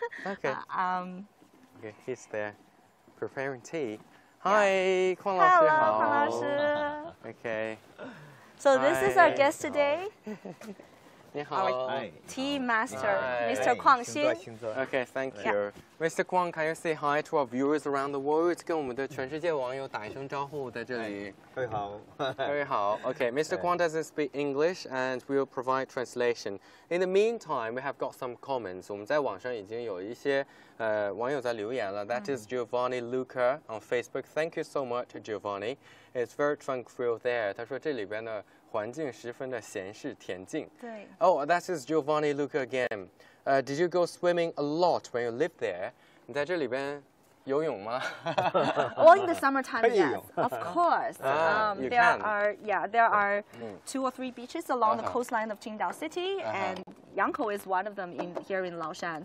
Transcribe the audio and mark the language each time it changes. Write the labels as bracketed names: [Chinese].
[English] Okay. Okay, he's there preparing tea. Hi, Kuang Lao Shi. Hello, Kuang Lao Shi. Okay. So this is our guest today. [Chinese] 你好. [English] Tea master, Mr. Kuang Xin. Okay, thank you. Mr. Kuang, can you say hi to our viewers around the world? [Chinese] 跟我们的全世界网友打一声招呼在这里. 各位好. [English] Okay, Mr. Kuang doesn't speak English, and we will provide translation. In the meantime, we have got some comments. [Chinese] 我们在网上已经有一些 网友在留言了, [English] that is Giovanni Luca on Facebook. Thank you so much, Giovanni. It's very tranquil there. [Chinese] 他说这里边的环境十分的闲适恬静. [English] Oh, that is Giovanni Luca again. Did you go swimming a lot when you lived there? [Chinese] 你在这里边游泳吗? [English] Well, in the summertime, yes. Of course. There are two or three beaches along the coastline of Qingdao City, and Yangkou is one of them here in Laoshan.